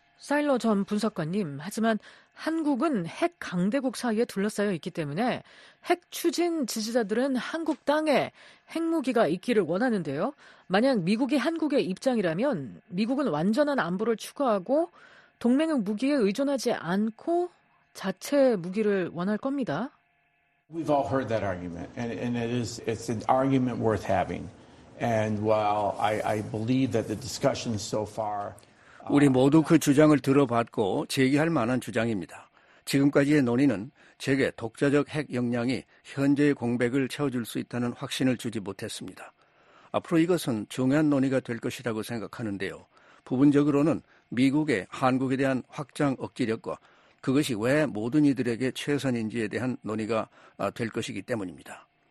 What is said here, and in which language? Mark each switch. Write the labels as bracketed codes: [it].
[ko] 사일러 전 분석관님, 하지만 한국은 핵 강대국 사이에 둘러싸여 있기 때문에 핵 추진 지지자들은 한국 땅에 핵무기가 있기를 원하는데요. 만약 미국이 한국의 입장이라면 미국은 완전한 안보를 추구하고 동맹의 무기에 의존하지 않고 자체 무기를 원할 겁니다. [en] We've all heard that argument, and it is, it's an argument worth having. And while I believe that the discussion so far, [ko] 우리 모두 그 주장을 들어봤고 제기할 만한 주장입니다. 지금까지의 논의는 제게 독자적 핵 역량이 현재의 공백을 채워줄 수 있다는 확신을 주지 못했습니다. 앞으로 이것은 중요한 논의가 될 것이라고 생각하는데요. 부분적으로는 미국의 한국에 대한 확장 억지력과 그것이 왜 모든 이들에게 최선인지에 대한 논의가 될 것이기 때문입니다.